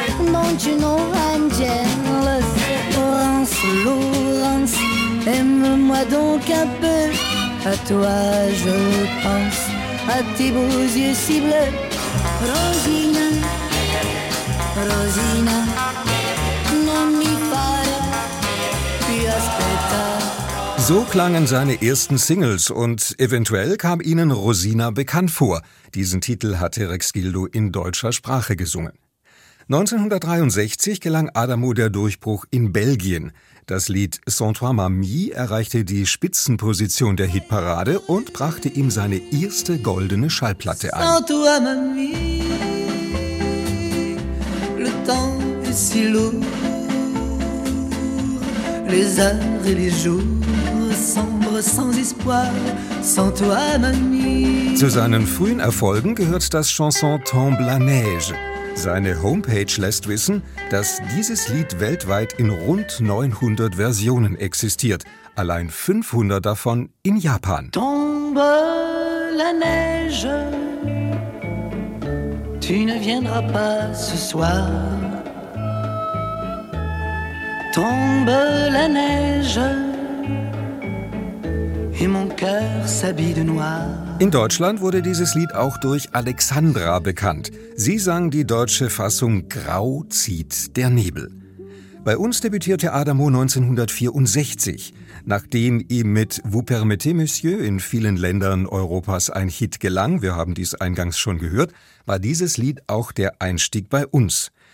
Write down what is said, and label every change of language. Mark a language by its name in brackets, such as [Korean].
[English] Don't you know I'm jealous? [French] Lance, Lance, aime-moi donc un peu. À toi je pense, à tes beaux yeux si bleus. [Italian] Rosina, Rosina, non mi pare più aspettare. [German] So klangen seine ersten Singles und eventuell kam ihnen Rosina bekannt vor. Diesen Titel hatte Rex Gildo in deutscher Sprache gesungen. 1963 gelang Adamo der Durchbruch in Belgien. Das Lied Sans toi, mamie erreichte die Spitzenposition der Hitparade und brachte ihm seine erste goldene Schallplatte ein. [French] Sans toi, mamie. Si lourd, les heures et les jours sombres sans espoir, sans toi, mamie. [German] Zu seinen frühen Erfolgen gehört das Chanson Tombe la neige. Seine Homepage lässt wissen, dass dieses Lied weltweit in rund 900 Versionen existiert, allein 500 davon in Japan. [French] Tombe la neige, tu ne viendras pas ce soir. Tombe la neige et mon cœur s'habille de noir. [German] In Deutschland wurde dieses Lied auch durch Alexandra bekannt. Sie sang die deutsche Fassung Grau zieht der Nebel. Bei uns debütierte Adamo 1964. Nachdem ihm mit Vous permettez, Monsieur in vielen Ländern Europas ein Hit gelang, wir haben dies eingangs schon gehört, war dieses Lied auch der Einstieg bei uns.